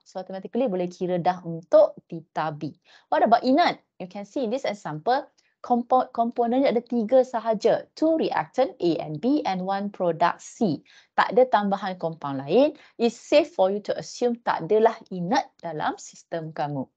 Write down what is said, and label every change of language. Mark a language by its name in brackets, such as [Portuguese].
[English] So automatically [Malay] boleh kira dah untuk theta B. [English] What about inert? You can see in this example, [Malay] komponennya ada tiga sahaja. [English] Two reactant A and B and one product C. [Malay] Tak ada tambahan compound lain. [English] It's safe for you to assume [Malay] tak adalah inert dalam sistem kamu.